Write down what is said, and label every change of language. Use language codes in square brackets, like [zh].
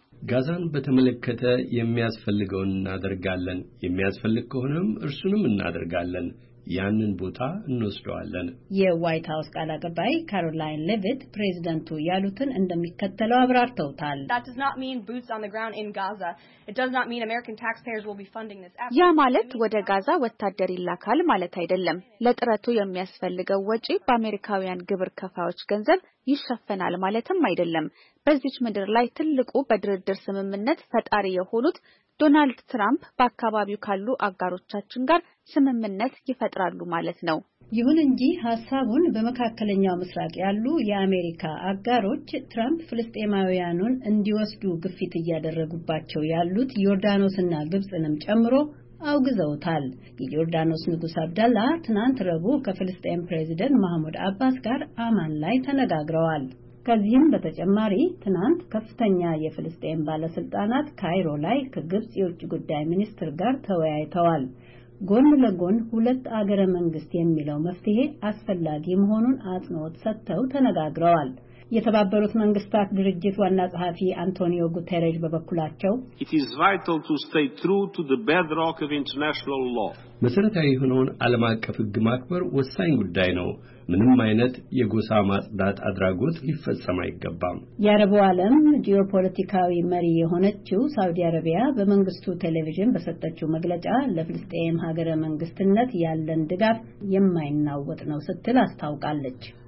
[am] ጋዛን በተመለከተ የሚያስፈልገውን እናደርጋለን፣ የሚያስፈልግ ከሆነም እርሱንም እናደርጋለን፣ ያንን ቦታ እንወስደዋለን። የዋይት ሃውስ ቃል አቀባይ ካሮላይን ሌቪት ፕሬዝዳንቱ ያሉትን እንደሚከተለው አብራርተውታል። [en] That does not mean boots on the ground in Gaza. It does not mean American taxpayers will be funding this effort. [am] ያ ማለት ወደ ጋዛ ወታደር ይላካል ማለት አይደለም። ለጥረቱ የሚያስፈልገው ወጪ በአሜሪካውያን ግብር ከፋዮች ገንዘብ ይሸፈናል ማለትም አይደለም። በዚህ ምድር ላይ ትልቁ በድርድር ስምምነት ፈጣሪ የሆኑት ዶናልድ ትራምፕ በአካባቢው ካሉ አጋሮቻችን ጋር ስምምነት ይፈጥራሉ ማለት ነው። ይሁን እንጂ ሐሳቡን በመካከለኛው ምስራቅ ያሉ የአሜሪካ አጋሮች ትራምፕ ፍልስጤማውያኑን እንዲወስዱ ግፊት እያደረጉባቸው ያሉት ዮርዳኖስና ግብጽንም ጨምሮ አውግዘውታል። የዮርዳኖስ ንጉስ አብደላ ትናንት ረቡዕ ከፍልስጤም ፕሬዝዳንት ማህሙድ አባስ ጋር አማን ላይ ተነጋግረዋል። ከዚህም በተጨማሪ ትናንት ከፍተኛ የፍልስጤም ባለስልጣናት ካይሮ ላይ ከግብጽ የውጭ ጉዳይ ሚኒስትር ጋር ተወያይተዋል። ጎን ለጎን ሁለት አገረ መንግስት የሚለው መፍትሄ አስፈላጊ መሆኑን አጽንኦት ሰጥተው ተነጋግረዋል። የተባበሩት መንግስታት ድርጅት ዋና ጸሐፊ አንቶኒዮ ጉቴሬጅ በበኩላቸው [en] It is vital to stay true to the bedrock of international law. [am] መሰረታዊ የሆነውን ዓለም አቀፍ ሕግ ማክበር ወሳኝ ጉዳይ ነው። ምንም አይነት የጎሳ ማጽዳት አድራጎት ሊፈጸም አይገባም። የአረብ ዓለም ጂኦፖለቲካዊ መሪ የሆነችው ሳውዲ አረቢያ በመንግስቱ ቴሌቪዥን በሰጠችው መግለጫ ለፍልስጤም ሀገረ መንግስትነት ያለን ድጋፍ የማይናወጥ ነው ስትል አስታውቃለች።